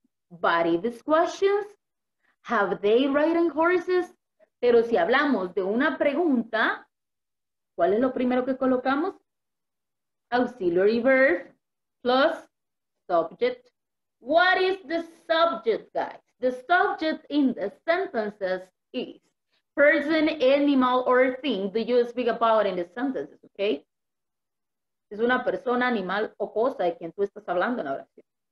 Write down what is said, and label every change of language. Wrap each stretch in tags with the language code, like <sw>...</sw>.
<en>But if this questions, have they ridden horses?</en> <es>Pero si hablamos de una pregunta, ¿cuál es lo primero que colocamos?</es> <en>Auxiliary verb plus subject. What is the subject, guys? The subject in the sentences is person, animal, or thing. Do you speak about in the sentences, okay?</en> <es>Es una persona, animal, o cosa de quien tú estás hablando en la oración.</es>